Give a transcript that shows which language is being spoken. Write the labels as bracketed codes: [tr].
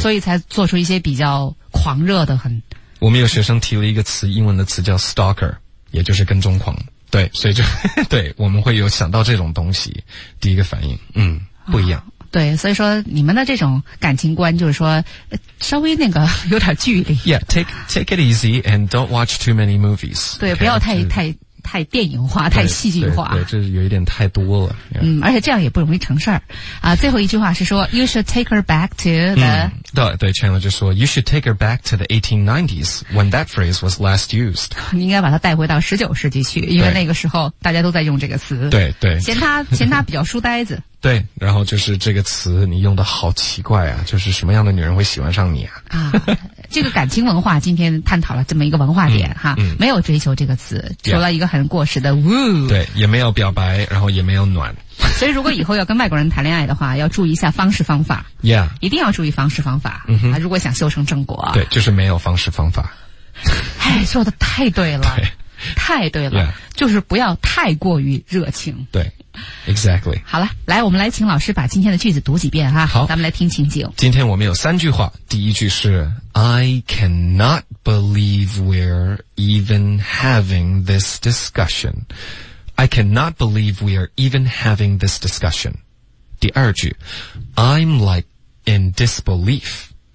[zh] 所以才做出一些比较狂热的，很我们有学生提了一个词，英文的词叫 stalker, 也就是跟踪狂。对，所以就对，我们会有想到这种东西，第一个反应，嗯，不一样。啊，对，所以说你们的这种感情观就是说，稍微那个有点距离。 [en] Yeah, take it easy and don't watch too many movies. [zh] 对， [en] okay, [zh] 不要太电影化，太戏剧化。对，这有一点太多了。 [en] Yeah. [zh] 嗯，而且这样也不容易成事儿。啊，最后一句话是说 [en] ，You should take her back to the、 [zh] 嗯。对对 [en] ，Chandler [zh] 就说 [en] ，You should take her back to the 1890s when that phrase was last used。 [zh] 你应该把它带回到十九世纪去，因为那个时候大家都在用这个词。对对。嫌他比较书呆子。对，然后就是这个词你用的好奇怪啊，就是什么样的女人会喜欢上你啊？啊，这个感情文化今天探讨了这么一个文化点、嗯、哈、嗯，没有追求这个词，除了一个很过时的 woo，对，也没有表白，然后也没有暖。所以如果以后要跟外国人谈恋爱的话，要注意一下方式方法。 [en] Yeah， [zh] 一定要注意方式方法。嗯哼，如果想修成正果，对，就是没有方式方法。哎，说的太对了，对，太对了， [en] yeah. [zh] 就是不要太过于热情。对。 [en] Exactly. [zh] 好了，来，我们来请老师把今天的句子读几遍哈。好，咱们来听情景。今天我们有三句话。第一句是 [en] I cannot believe we're even having this discussion. I cannot believe we are even having this discussion. [zh] 第二句 [en] I'm like in disbelief.